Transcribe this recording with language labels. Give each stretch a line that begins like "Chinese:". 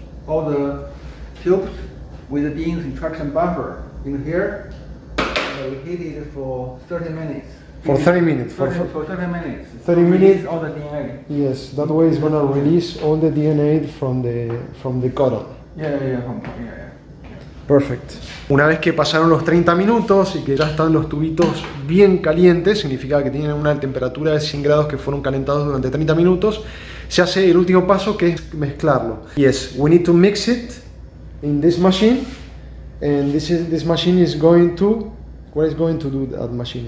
English: All the tubes with the DNA extraction buffer in here. We heat it for 30 minutes. For 30 minutes? For 30 minutes. 30 minutes? All the DNA. Yes, that way it's gonna release all the DNA from the codon. Yeah. Perfect.
Spanish: Una vez que pasaron los 30 minutos y que ya están los tubitos bien calientes, significa que tienen una temperatura de 100 grados que fueron calentados durante 30 minutos, se hace el último paso, que es mezclarlo. Y es,
English: we need to mix it in this machine, and this machine is going to, what is going to do that machine?